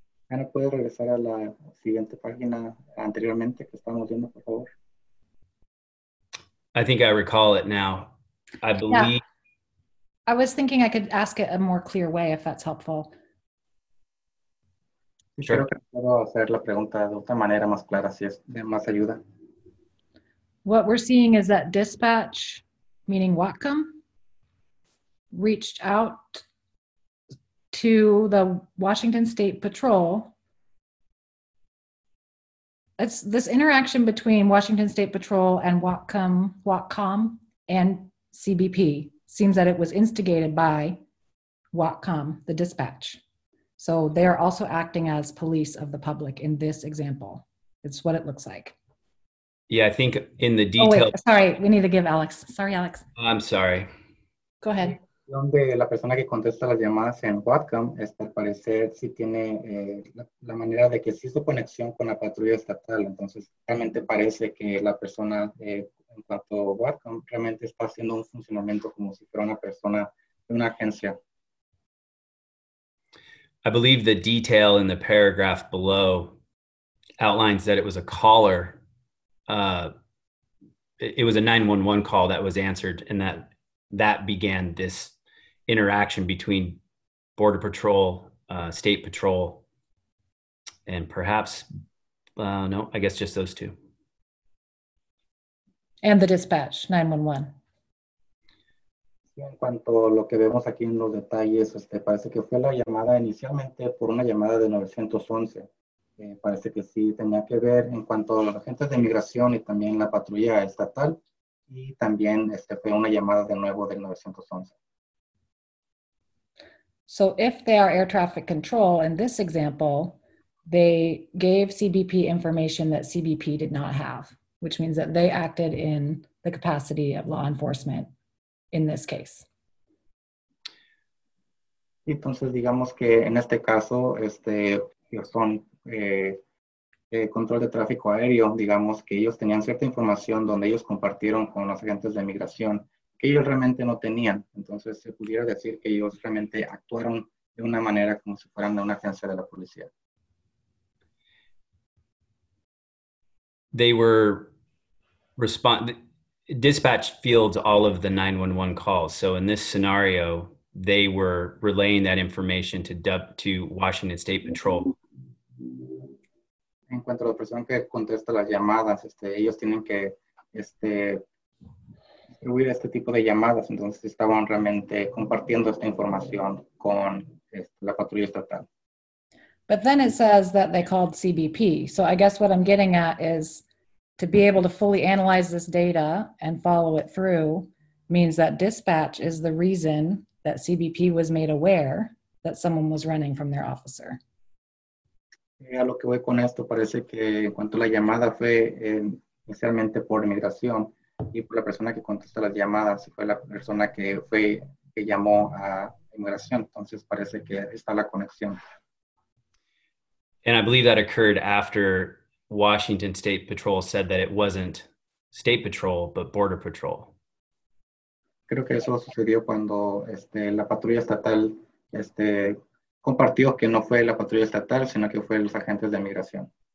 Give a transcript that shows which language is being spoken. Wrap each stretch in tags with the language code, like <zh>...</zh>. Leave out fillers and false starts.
<es>Hannah, ¿puedes regresar a la siguiente página anteriormente que estábamos viendo, por favor?</es> <en>I think I recall it now. I believe. Yeah. I was thinking I could ask it a more clear way if that's helpful. Sure.</en> <es>Puedo hacer la pregunta de otra manera más clara, si es de más ayuda.</es> <en>What we're seeing is that dispatch, meaning Whatcom, reached out to the Washington State Patrol. It's this interaction between Washington State Patrol and Whatcom and CBP. Seems that it was instigated by Whatcom, the dispatch. So they are also acting as police of the public in this example. It's what it looks like. Yeah, I think in the detail. Oh, wait, sorry, we need to give Alex. Sorry, Alex. I'm sorry. Go ahead.</en> <es>Donde la persona que contesta las llamadas en Whatcom, al parecer sí tiene la manera de que sí su conexión con la patrulla estatal. Entonces, realmente parece que la persona, en cuanto a Whatcom, realmente está haciendo un funcionamiento como si fuera una persona de una agencia.</es> <en>I believe the detail in the paragraph below outlines that it was a caller. It was a 911 call that was answered and that began this interaction between Border Patrol, State Patrol, and perhaps, no, I guess just those two. And the dispatch, 911.</en> <es>En cuanto a lo que vemos aquí en los detalles, parece que fue la llamada inicialmente por una llamada de 911. Parece que sí tenía que ver en cuanto a los agentes de migración y también la patrulla estatal. Y también fue una llamada de nuevo del 911.</es> <en>So if they are air traffic control, in this example, they gave CBP information that CBP did not have, which means that they acted in the capacity of law enforcement in this case.</en> <es>Entonces, digamos que en este caso, son control de tráfico aéreo, digamos, que ellos tenían cierta información donde ellos compartieron con los agentes de migración que ellos realmente no tenían. Entonces, se pudiera decir que ellos realmente actuaron de una manera como si fueran de una agencia de la policía.</es> <en>They were dispatch fields all of the 911 calls. So in this scenario, they were relaying that information to Washington State Patrol.</en> <es>En cuanto a la persona que contesta las llamadas, ellos tienen que distribuir este tipo de llamadas. Entonces estaban realmente compartiendo esta información con la patrulla estatal.</es> <en>But then it says that they called CBP. So I guess what I'm getting at is to be able to fully analyze this data and follow it through means that dispatch is the reason that CBP was made aware that someone was running from their officer.</en> <es>A lo que voy con esto, parece que en cuanto a la llamada fue inicialmente por inmigración y por la persona que contesta las llamadas fue la persona que llamó a inmigración. Entonces parece que está la conexión.</es> <en>And I believe that occurred after Washington State Patrol said that it wasn't State Patrol, but Border Patrol.</en> <es>Creo que eso sucedió cuando la patrulla estatal compartió que no fue la patrulla estatal, sino que fue los agentes de migración.</es>